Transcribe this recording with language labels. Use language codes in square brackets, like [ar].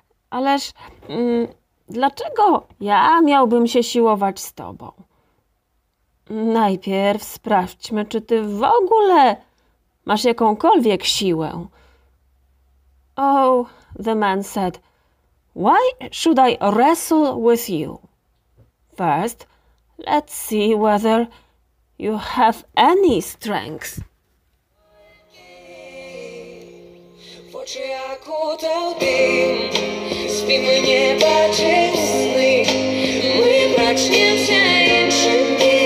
[pl] Ależ dlaczego ja miałbym się siłować z tobą? Najpierw sprawdźmy, czy ty w ogóle masz jakąkolwiek siłę. [en] Oh, the man said, why should I wrestle with you? First, let's see whether you have any strength. W oczy jak utał dym, spimy nie patrzysz sny, my brać nie wzajemszy.